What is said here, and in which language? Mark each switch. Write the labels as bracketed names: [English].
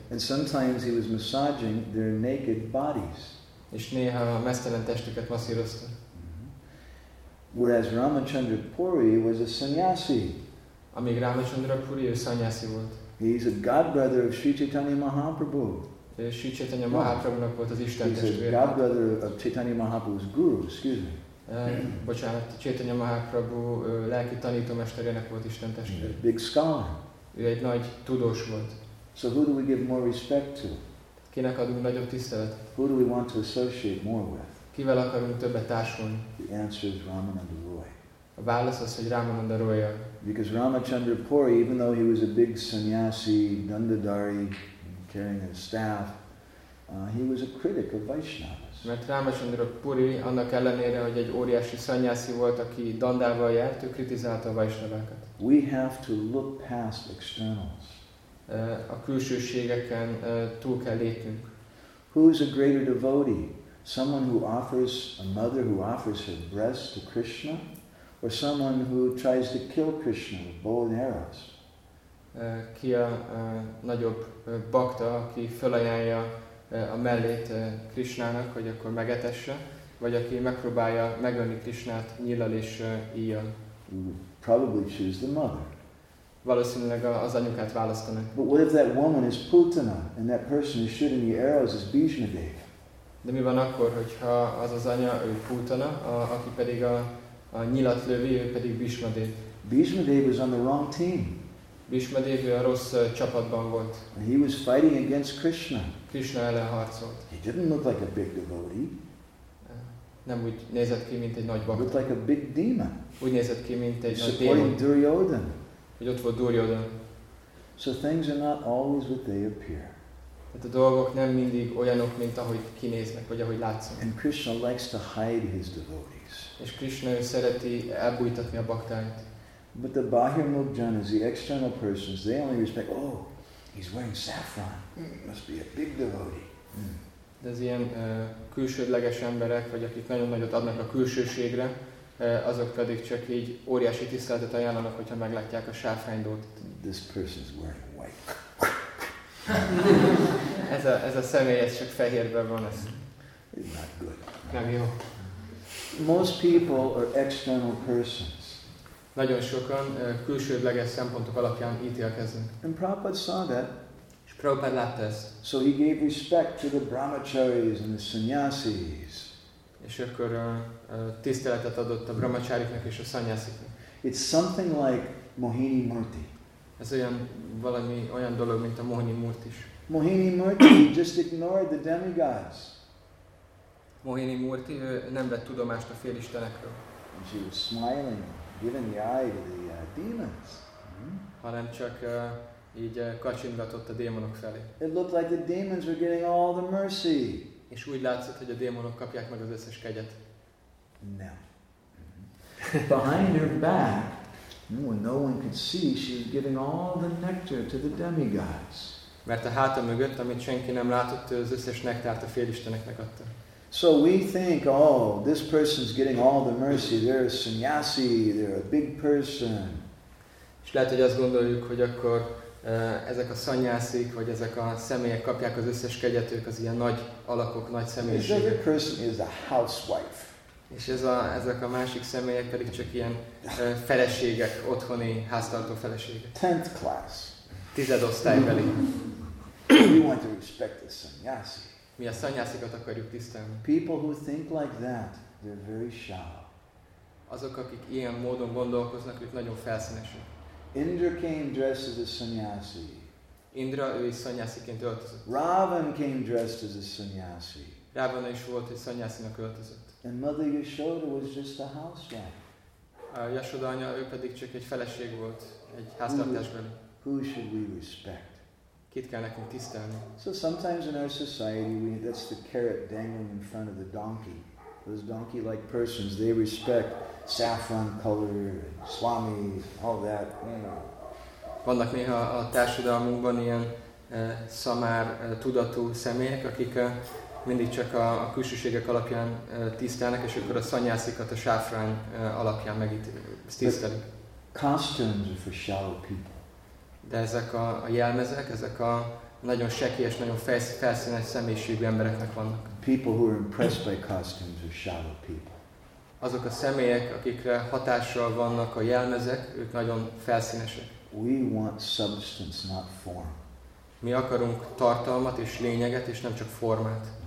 [English] And sometimes he was massaging their naked bodies. [Hungarian] És néha meztelen testüket masszírozta. [English] Whereas Ramachandra Puri was a sannyasi. [Hungarian] Amíg Ramachandra Puri a sannyasi volt. [English] He's a godbrother of Sri Chaitanya Mahaprabhu. [Hungarian] Sri Chaitanya Mahaprabhu-nak volt az Isten testvére. [English] He's a godbrother of Chaitanya Mahaprabhu's guru, excuse me. [Hungarian] Bocsánat, Chaitanya Mahaprabhu lelki tanítómesterének volt Isten testvére. [English] Big scholar. [Hungarian] Ő egy nagy tudós volt. [English] So who do we give more respect to? [Hungarian] Kinek adunk nagyobb tiszteletet? [English] Who do we want to associate more with? [Hungarian] Kivel akarunk többet társulni? [English] The answer is Ramananda Roy. [Hungarian] A válasz az, hogy Ramananda Roy-ja. [English] Because Ramachandra Puri, even though he was a big sannyasi, dandadari, carrying a staff, he was a critic of Vaishnavas. [Hungarian] Mert Ramachandra Puri, annak ellenére, hogy egy óriási sannyasi volt, aki dandával járt, ő kritizálta a Vaishnavákat. [English] We have to look past externals. [Hungarian] A külsőségeken túl kell lépnünk. [English] Who is a greater devotee? Someone who offers, a mother who offers her breast to Krishna, or someone who tries to kill Krishna with bow and arrows? [Hungarian] Ki a nagyobb bakta, aki felajánlja a mellét Krishnának, hogy akkor megetesse, vagy aki megpróbálja megölni Krisnát nyíllal és íjjal. [English] Probably choose the mother. [Hungarian] Valószínűleg az anyukát választanak. [English] But what if that woman is Putana and that person is shooting the arrows is Bhishmadev? [Hungarian] De mi van akkor, hogyha az az anya ő Putana, aki pedig a nyilat lövi, ő pedig Bhishmadev? [English] Bhishmadev was on the wrong team. [Hungarian] Bhishmadev a rossz csapatban volt. [English] And he was fighting against Krishna. [Hungarian] Krishna ellen harcolt. [English] He didn't look like a big devotee. [Hungarian] Nem úgy nézett ki, mint egy nagy bhakta. [English] Looked like a big demon. [Hungarian] Úgy nézett ki, mint egy nagy démon. [English] Supporting Duryodhan. [Hungarian] Hogy ott volt Duryodhan. [English] So things are not always what they appear. [Hungarian] Tehát a dolgok nem mindig olyanok, mint ahogy kinéznek, vagy ahogy látszik. [English] And Krishna likes to hide his devotees. [Hungarian] És Krishna szereti elbújtatni a bhaktáit. [English] But the Bahirmukhjanas, the external persons, they only respect, oh, he's wearing saffron, must be a big devotee. [Hungarian] De az ilyen külsődleges emberek, vagy akik nagyon nagyot adnak a külsőségre, azok pedig csak így óriási tiszteletet ajánlanak, hogyha meglátják a sáfrányt. [English] This person is wearing white. [Hungarian] ez a személy, ez csak fehérben van. Ez. [English] It's not good. [Hungarian] Nem jó. [English] Most people are external persons. [Hungarian] Nagyon sokan külsődleges szempontok alapján ítélkeznek. [English] And Prabhupada saw that. [Hungarian] És Prabhupada látta ezt. [English] So he gave respect to the brahmacharis and the sannyasis. [Hungarian] És akkor tiszteletet adott a brahmacháriknak és a szanyásziknak. [English] It's something like Mohini Murti. [Hungarian] Ez olyan valami olyan dolog, mint a Mohini Murti is. [English] Mohini Murti just ignored the demigods. [Hungarian] Mohini Murti nem vett tudomást a félistenekről. [English] And she was smiling. Given the eye to the demons. [Hungarian] Hanem csak így kacsingatott a démonok felé. [English] It looked like the demons were getting all the mercy. [Hungarian] És úgy látszott, hogy a démonok kapják meg az összes kegyet. [English] No. Behind her back, when no one could see, she was giving all the nectar to the demigods. [Hungarian] Mert a háta mögött, amit senki nem látott, az összes nektárt a félisteneknek adta. [English] So we think, oh, this person's getting all the mercy. They're a sannyasi, they're a big person. [Hungarian] És lehet, hogy azt gondoljuk, hogy akkor ezek a szanyászik, vagy ezek a személyek kapják az összes kegyet, ők az ilyen nagy alakok, nagy személyiségek. [English] This person is a housewife. [Hungarian] És ezek a másik személyek pedig csak ilyen feleségek, otthoni háztartó feleségek. [English] 10th class. [Hungarian] Tizedosztálybeli. [English] We want to respect the sannyasi. [Hungarian] Mi a szanyászikat akarjuk tisztelni. [English] People who think like that, they're very shallow. [Hungarian] Azok, akik ilyen módon gondolkoznak, ők nagyon felszínesek. [English] Indra came dressed as a sannyasi. [Hungarian] Indra, ő is szanyásziként öltözött. [English] Ravan came dressed as a sannyasi. [Hungarian] Ravana is volt, hogy szanyászinak öltözött. [English] And Mother Yashoda was just a housewife. [Hungarian] A Yashoda anya, ő pedig csak egy feleség volt, egy háztartásbeli. [English] Who should we respect? [Hungarian] Kit kell nekünk tisztelni? [English] So sometimes in our society, that's the carrot dangling in front of the donkey. Those donkey-like persons, they respect saffron color, and swami, all that. [Hungarian] Vannak néha a társadalmunkban ilyen szamár tudatú személyek, akik mindig csak a külsőségek alapján tisztelnek, és akkor a szanyászikat a sáfrán alapján tisztelik. [English] Costumes are for shallow people. [Hungarian] De ezek a jelmezek, ezek a nagyon sekélyes, nagyon felszínes személyiségű embereknek vannak. [English] People who are impressed by costumes are shallow people. [Hungarian] Azok a személyek, akikre hatással vannak a jelmezek, ők nagyon felszínesek. [English] We want substance, not form. [Hungarian] Mi akarunk tartalmat és lényeget, és nem csak formát.